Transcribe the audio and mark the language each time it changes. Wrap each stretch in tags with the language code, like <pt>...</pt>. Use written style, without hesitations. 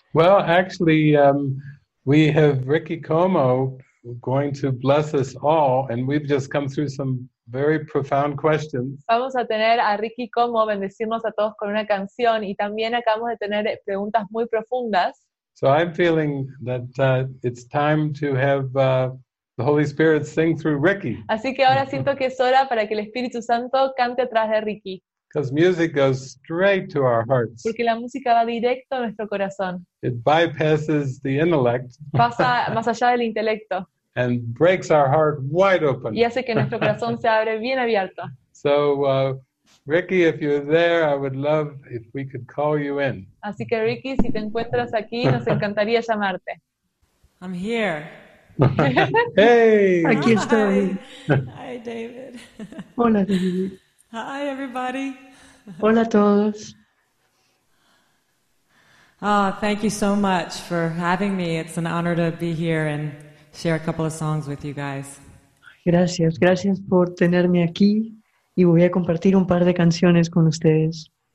<en>Well, actually, we have Ricky Como going to bless us all, and we've just come through some very profound questions.</en> <es>Vamos a tener a Ricky Como bendecirnos a todos con una canción y también acabamos de tener preguntas muy profundas.</es> <en>So I'm feeling that it's time to have the Holy Spirit sing through Ricky.</en> <es>Así que ahora siento que es hora para que el Espíritu Santo cante atrás de Ricky.</es> <en>Because music goes straight to our hearts.</en> <es>Porque la música va directo a nuestro corazón.</es> <en>It bypasses the intellect.</en> <es>Pasa más allá del intelecto.</es> <en>And breaks our heart wide open.</en> <es>Y hace que nuestro corazón se abre bien abierto.</es> <en>So, Ricky, if you're there, I would love if we could call you in.</en> <es>Así que Ricky, si te encuentras aquí, nos encantaría llamarte.</es> <en>I'm here. Hey.</en> <es>Aquí estoy.</es> <en>Hi, David.</en> <es>Hola, David.</es> <en>Hi, everybody.</en> <es>Hola a todos.</es> <en>Ah, oh, thank you so much for having me. It's an honor to be here and share a couple of songs with you guys.</en> <es>Gracias, gracias por tenerme aquí y voy a compartir un par de canciones con ustedes.</es>